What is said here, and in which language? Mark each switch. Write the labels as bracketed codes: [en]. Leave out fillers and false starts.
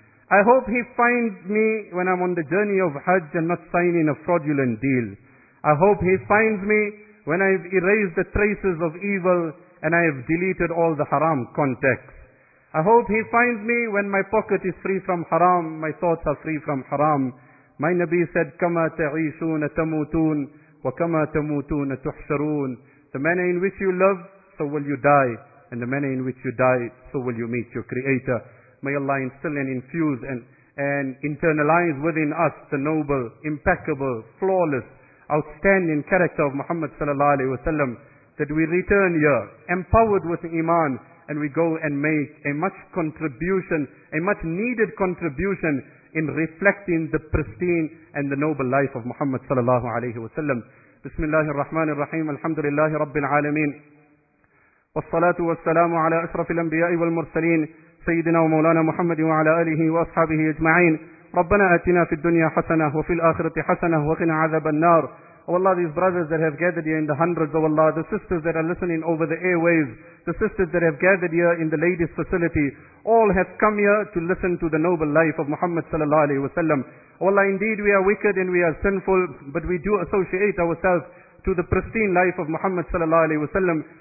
[en] I hope he finds me when I'm on the journey of Hajj and not signing a fraudulent deal. I hope he finds me when I've erased the traces of evil and I have deleted all the haram contacts. I hope he finds me when my pocket is free from haram, my thoughts are free from haram. My Nabi said, [ar] كَمَا تَعِيشُونَ تَمُوتُونَ وَكَمَا تَمُوتُونَ تُحْشَرُونَ. [en] The manner in which you love, so will you die. And the manner in which you die, so will you meet your Creator. May Allah instill and infuse and internalize within us the noble, impeccable, flawless, outstanding character of Muhammad sallallahu alaihi wasallam, that we return here empowered with iman and we go and make a much contribution, a much needed contribution in reflecting the pristine and the noble life of Muhammad sallallahu alaihi wasallam. [ar] Bismillahir Rahmanir Rahim. Alhamdulillahi Rabbil Alameen. Wassalatu wassalamu ala ashrafil anbiya'i wal mursaleen. سيدنا ومولانا محمد وعلى آله وأصحابه أجمعين. ربنا أتنا في الدنيا حسنة وفي الآخرة حسنة وقنا عذاب النار. [en] Oh Allah, these brothers that have gathered here in the hundreds, oh Allah, the sisters that are listening over the airwaves, the sisters that have gathered here in the ladies' facility, all have come here to listen to the noble life of Muhammad sallallahu alaihi wasallam. Oh Allah, indeed we are wicked and we are sinful, but we do associate ourselves to the pristine life of Muhammad sallallahu alaihi wasallam.